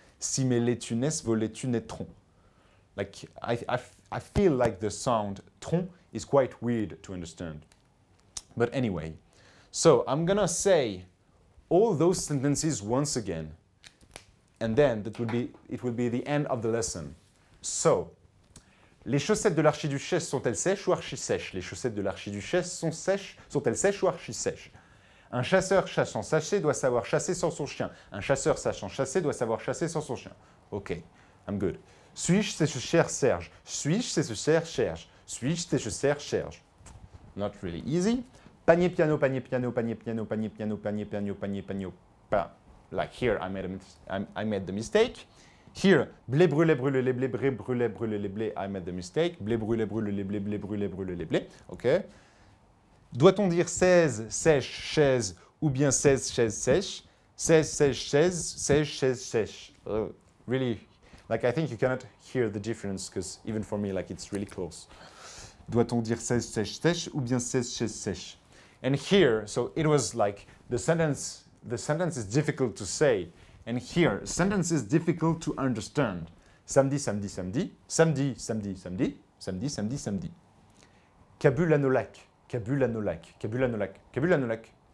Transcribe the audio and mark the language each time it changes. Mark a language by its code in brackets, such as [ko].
[fr] Si mes laitues naissent, vos laitues naîtront. [en] Like I feel like the sound tron is quite weird to understand. But anyway, so I'm gonna say all those sentences once again, and then it will be the end of the lesson. [fr] So les chaussettes de l'archiduchesse sont-elles sèches ou archi-sèches? Les chaussettes de l'archiduchesse sont sèches, sont-elles sèches ou archi-sèches? Un chasseur sachant chasser doit savoir chasser sans son chien. Un chasseur sachant chasser doit savoir chasser sans son chien. [en] Ok, I'm good. [fr] Suis-je, c'est ce cher Serge? Suis-je, c'est ce cher Serge? Suis-je, c'est ce cher Serge? [en] Not really easy. [fr] Panier piano, panier piano, panier piano, panier piano, panier piano, panier piano, panier piano. [en] Like here, I made the mistake. Here, [fr] blé brûlé brûlé les blés, [en] blé brûlé brûlé les blés, I made the mistake. [fr] Blé brûlé brûlé les blés, blé brûlé brûlé les blés, ok. Doit-on dire 16 sèche chaise ou bien 16 chaise sèche? 16 sèche chaise, 16 chaise sèche. [en] Really, like I think you cannot hear the difference because even for me, like it's really close. [fr] Doit-on dire 16 sèche sèche ou bien 16 chaise sèche? [en] And here, so it was like the sentence is difficult to say. And here, sentence is difficult to understand. [fr] Samedi, samedi, samedi. Samedi, samedi, samedi. Samedi, samedi, samedi. Kabulanolak. Kabulanolak. Kabulanolak. Kabulanolak.